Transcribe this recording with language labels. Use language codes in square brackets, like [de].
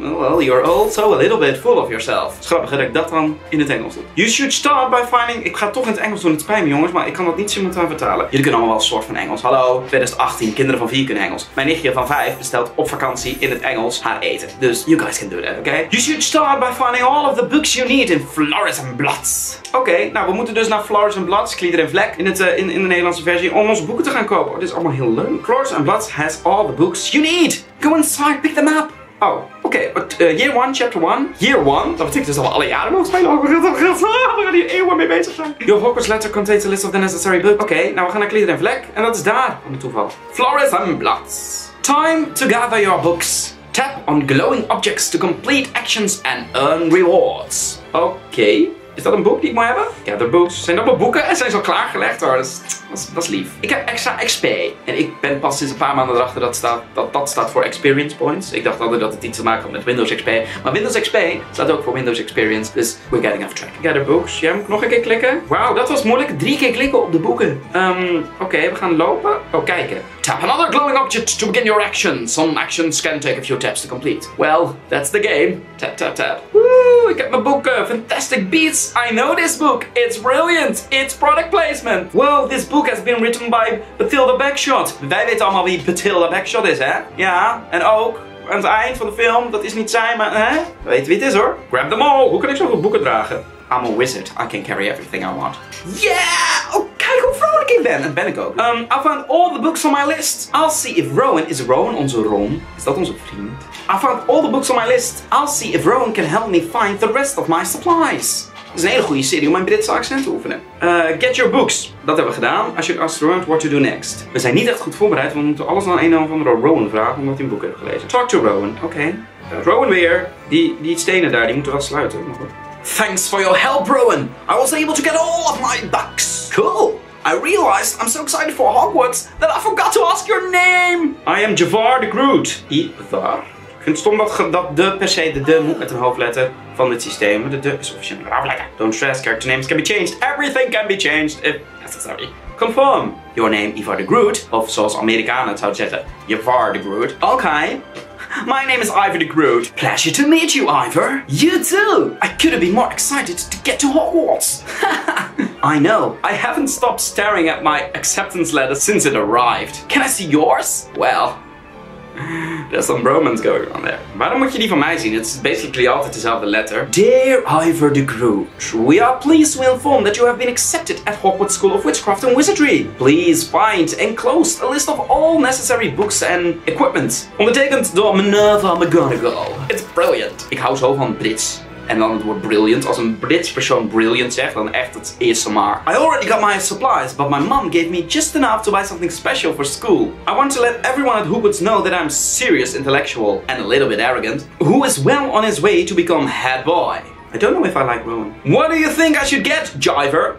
[en] Well, you're also a little bit full of yourself. [nl] Het is grappig dat ik dat dan in het Engels doe. [en] You should start by finding... [nl] Ik ga het toch in het Engels doen, het spijt me jongens, maar ik kan dat niet simultaan vertalen. Jullie kunnen allemaal wel een soort van Engels. Hallo, 2018, kinderen van 4 kunnen Engels. Mijn nichtje van 5 bestelt op vakantie in het Engels haar eten. [en] Dus you guys can do that, okay? You should start by finding all of the books you need in Flores and Bloods. [nl] Oké, nou we moeten dus naar Flores and Bloods, Klieder en Vlek, in de Nederlandse versie, om onze boeken te gaan kopen. Dit is allemaal heel leuk. [en] Flores and Bloods has all the books you need. Go inside, pick them up. Oh, oké, year 1, chapter 1. [nl] Year 1, dat betekent dus dat we alle jaren mogen spelen. Oh, we gaan hier eeuwen mee bezig zijn. [en] Your Hogwarts letter contains a list of the necessary books. [nl] Oké, nou we gaan naar Klieder en Vlek, en dat is daar, om het toeval. [en] Flores and Bloods. Time to gather your books. Tap on glowing objects to complete actions and earn rewards. [nl] Oké. Is dat een boek die ik moet hebben? [en] Gather books. [nl] Zijn dat mijn boeken? En zijn ze al klaargelegd hoor. Dat is lief. Ik heb extra XP. En ik ben pas sinds een paar maanden erachter dat staat voor experience points. Ik dacht altijd dat het iets te maken had met Windows XP. Maar Windows XP staat ook voor Windows Experience. Dus [en] we're getting off track. Gather books. [nl] Jij moet nog een keer klikken. Wauw, dat was moeilijk. 3 keer klikken op de boeken. Oké, we gaan lopen. Oh, kijken. [en] Tap another glowing object to begin your action. Some actions can take a few taps to complete. Well, that's the game. Tap. Woo, [nl] ik heb mijn boeken. [en] Fantastic Beasts I know this book. It's brilliant. It's product placement. Well, this book has been written by Bathilda Backshot. [nl] Wij weten allemaal wie Bathilda Backshot is, hè? Ja, en ook aan het eind van de film. Dat is niet zij, maar hè? Weet wie het is, hoor. [en] Grab them all. [nl] Hoe kan ik zoveel boeken dragen? [en] I'm a wizard. I can carry everything I want. Yeah! [nl] Oh, kijk hoe vrolijk ik ben. En ben ik ook. [en] I found all the books on my list. I'll see if Rowan... [nl] Is Rowan onze Ron? Is dat onze vriend? [en] I found all the books on my list. I'll see if Rowan can help me find the rest of my supplies. [nl] Dat is een hele goede serie om mijn Britse accent te oefenen. [en] Get your books. [nl] Dat hebben we gedaan. Als je [en] asked Rowan what to do next. [nl] We zijn niet echt goed voorbereid, want we moeten alles aan een of andere Rowan vragen, omdat hij een boek heeft gelezen. [en] Talk to Rowan. Oké. [nl] Okay. Rowan weer. Die stenen daar, die moeten wel sluiten. [en] Thanks for your help, Rowan. I was able to get all of my books. Cool. I realized I'm so excited for Hogwarts that I forgot to ask your name. I am Javar the Groot. Ivar. [nl] Ik vind het stom dat de per se de moet met een hoofdletter van het systeem. De is officieel een hoofdletter. [en] Don't stress, character names can be changed. Everything can be changed if necessary. Confirm. Your name, Ivar the Groot. [nl] Of zoals Amerikanen het zouden zeggen, Javar the Groot. [en] Okay. My name is Ivor the Groot. Pleasure to meet you, Ivor. You too. I couldn't be more excited to get to Hogwarts. I know. I haven't stopped staring at my acceptance letter since it arrived. Can I see yours? Well, there's some romance going on there. [nl] Waarom moet je die van mij zien? [en] It's basically [nl] altijd dezelfde letter. [en] Dear Ivor the Groot, we are pleased to inform that you have been accepted at Hogwarts School of Witchcraft and Wizardry. Please find enclosed a list of all necessary books and equipment. [nl] Ondertekend door Minerva McGonagall. [en] It's brilliant. [nl] Ik hou zo van Brits. En dan het woord brilliant. Als een Brits persoon brilliant zegt, dan echt het eerste maar. [en] I already got my supplies, but my mom gave me just enough to buy something special for school. I want to let everyone at Hogwarts know that I'm serious intellectual and a little bit arrogant. Who is well on his way to become head boy. I don't know if I like Rowan. What do you think I should get, Jiver?